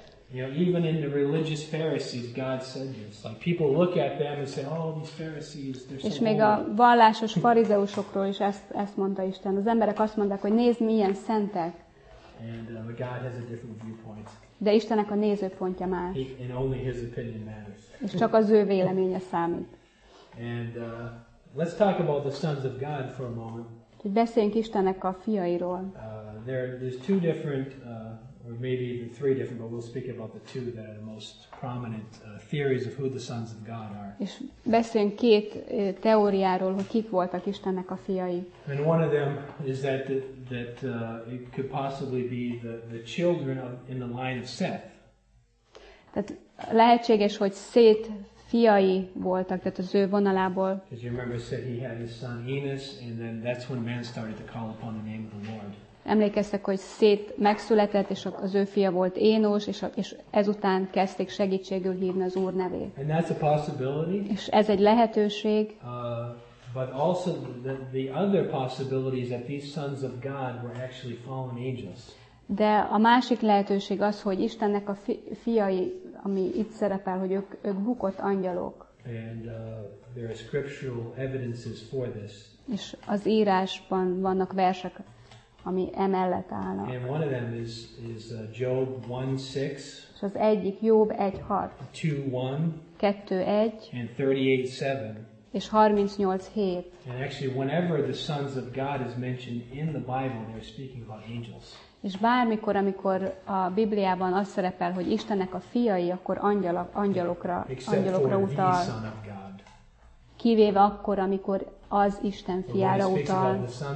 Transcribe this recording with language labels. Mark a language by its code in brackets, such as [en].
[en] You know, even in the religious Pharisees, God said this. Like people look at them and say, "Oh, these Pharisees, they're so [hu] holy." És még a vallásos farizeusokról is ezt mondta Isten. Az emberek azt mondták, hogy nézd, milyen szentek. [en] And God has a different viewpoint. [hu] De Istennek a nézőpontja más. [en] And only His opinion matters. [hu] És csak az ő véleménye számít. [en] And let's talk about the sons of God for a moment. [hu] Hogy beszéljünk Istennek a fiairól. [en] There's two different. Or maybe even three different, but we'll speak about the two that are the most prominent theories of who the sons of God are. [hu] És beszélünk két teóriáról, hogy kik voltak Istennek a fiai. [en] And one of them is that it could possibly be the children of, in the line of Seth. [hu] Tehát lehetséges, hogy Szét fiai voltak, tehát az ő vonalából. [en] Because you remember Seth, he had his son Enos, and then that's when man started to call upon the name of the Lord. [hu] Emlékeztek, hogy Szét megszületett, és az ő fia volt Énos, és ezután kezdték segítségül hívni az Úr nevét. [en] And that's a possibility. [hu] És ez egy lehetőség. [en] But also the other possibility is that these sons of God were actually fallen angels. [hu] De a másik lehetőség az, hogy Istennek a fiai, ami itt szerepel, hogy ők bukott angyalok. [en] And there are scriptural evidences for this. [hu] És az írásban vannak versek, ami emellett állna. [en] And one of them is Job 1:6. [hu] És az egyik Job 1:6. [en] 2:1. [hu] 2:1. [en] And 38:7. [hu] És 38:7. [en] And actually, whenever the sons of God is mentioned in the Bible, they're speaking about angels. [hu] És bármikor, amikor a Bibliában az szerepel, hogy Istennek a fiai, akkor angyalokra utal. [en] Except for the Son of God. [hu] Kivéve akkor, amikor az Isten fiára utal.